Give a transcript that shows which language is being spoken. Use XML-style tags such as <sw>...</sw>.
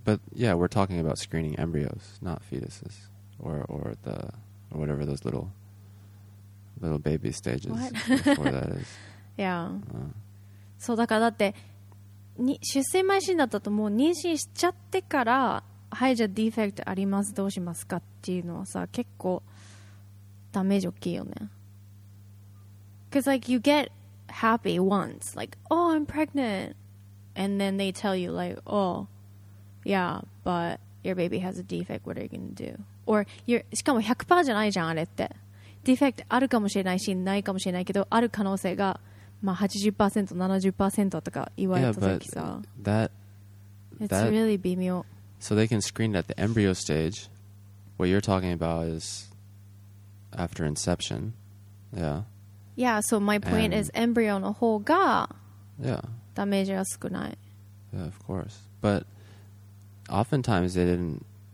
<en>But yeah, we're talking about screening embryos, not fetuses, or whatever those little baby stages before that is. Yeah.</en> <ja>So, だからだって出生前診断だったともう妊娠しちゃってからはいじゃあディフェクトありますどうしますかっていうのはさ結構ダメージ大きいよね。</ja> <en>Because like you get happy once, like oh I'm pregnant. And then they tell you, like, oh, yeah, but your baby has a defect. What are you going to do?</en> <ja>Or, しかも 100% じゃないじゃん、あれって。ディフェクトあるかもしれないし、ないかもしれないけど、ある可能性が、まあ、80%、70% とか言われた時さ。</ja> <en>Yeah, but that... It's really 微妙。 So they can screen it at the embryo stage. What you're talking about is after inception. Yeah. Yeah, so my point is embryo</en> <ja>の方が、</ja> <en>yeah.</en> <ja>ダメージは少ない。</ja> <en>Yeah, of course. But oftentimes they didn't...</en>